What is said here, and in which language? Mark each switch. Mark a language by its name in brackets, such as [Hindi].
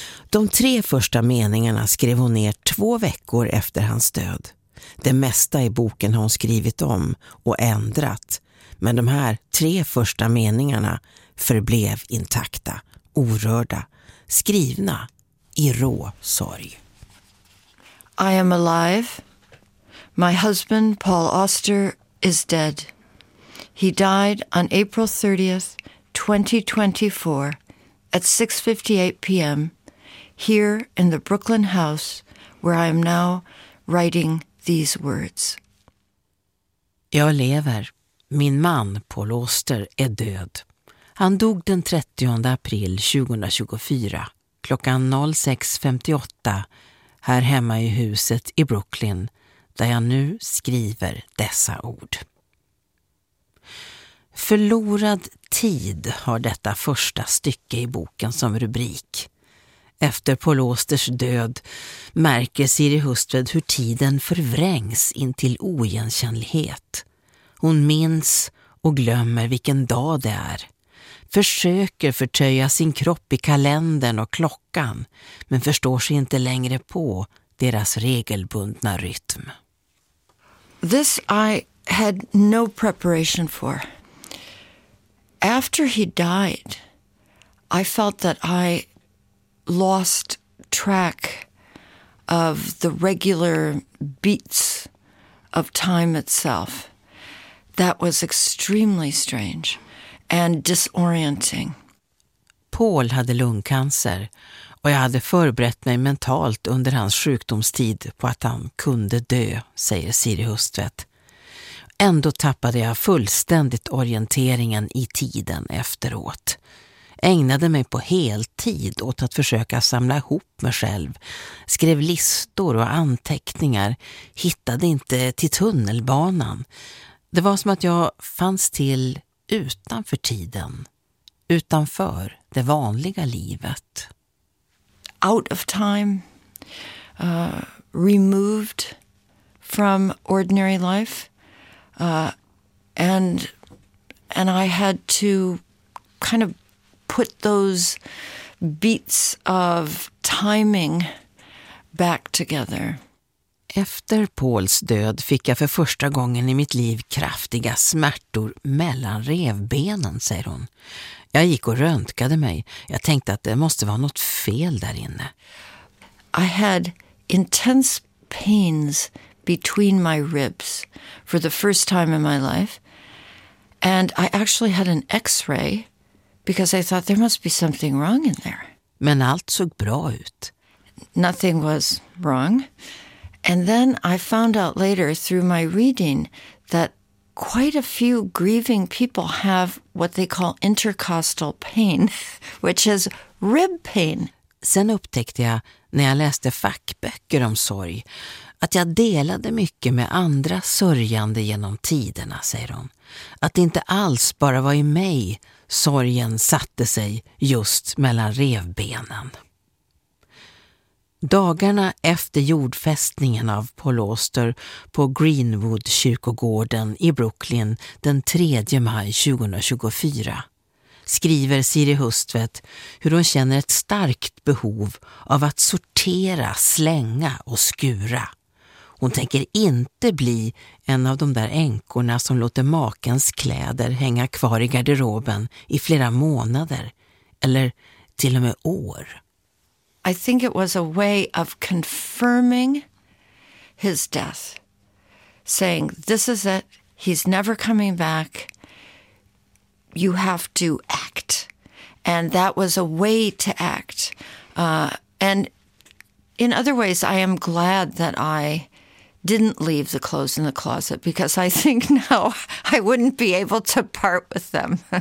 [Swedish] De 3 första meningarna skrev hon ner 2 veckor efter hans död. Det mesta i boken har hon skrivit om och ändrat. Men de här 3 första meningarna förblev intakta, orörda, skrivna i rå sorg. [English] I am alive. My husband Paul Auster is dead. He died on April 30th, 2024 at 6:58 p.m. here in the Brooklyn house where I am now writing these words. [Swedish] Jag lever. Min man Paul Auster är död. Han dog den 30 april 2024 klockan 06:58 här hemma i huset i Brooklyn där jag nu skriver dessa ord. Förlorad tid har detta första stycke i boken som rubrik. Efter Paul Austers död märker Siri Hustvedt hur tiden förvrängs in till oigenkännlighet. Hon minns och glömmer vilken dag det är. Försöker förtöja sin kropp i kalendern och klockan, men förstår sig inte längre på deras regelbundna rytm. [English] This I had no preparation for. After he died, I felt that I lost track of the regular beats of time itself. That was extremely strange and disorienting. [Swedish] Paul hade lungcancer och jag hade förberett mig mentalt under hans sjukdomstid på att han kunde dö, säger Siri Hustvedt. Ändå tappade jag fullständigt orienteringen i tiden efteråt. ägnade mig på heltid åt att försöka samla ihop mig själv, skrev listor och anteckningar, hittade inte till tunnelbanan. Det var som att jag fanns till utanför tiden, utanför det vanliga livet. [English] Out of time, removed from ordinary life, and I had to kind of put those beats of timing back together. [Swedish] Efter Pauls död fick jag för första gången i mitt liv kraftiga smärtor mellan revbenen, säger hon. Jag gick och röntgade mig. Jag tänkte att det måste vara något fel där inne. [English] I had intense pains between my ribs for the first time in my life. And I actually had an x-ray because I thought there must be something wrong in there. [Swedish] Men allt såg bra ut. [English] Nothing was wrong. And then I found out later through my reading that quite a few grieving people have what they call intercostal pain, which is rib pain. [Swedish] Sen upptäckte jag, när jag läste fackböcker om sorg, att jag delade mycket med andra sörjande genom tiderna, säger hon. Att det inte alls bara var i mig sorgen satte sig just mellan revbenen. Dagarna efter jordfästningen av Paul Auster på Greenwood-kyrkogården i Brooklyn den 3 maj 2024 skriver Siri Hustvedt hur hon känner ett starkt behov av att sortera, slänga och skura. Hon tänker inte bli en av de där änkorna som låter makens kläder hänga kvar i garderoben i flera månader eller till och med år. [English] I think it was a way of confirming his death, saying, this is it, he's never coming back, you have to act. And that was a way to act. And in other ways, I am glad that I didn't leave the clothes in the closet, because I think now I wouldn't be able to part with them.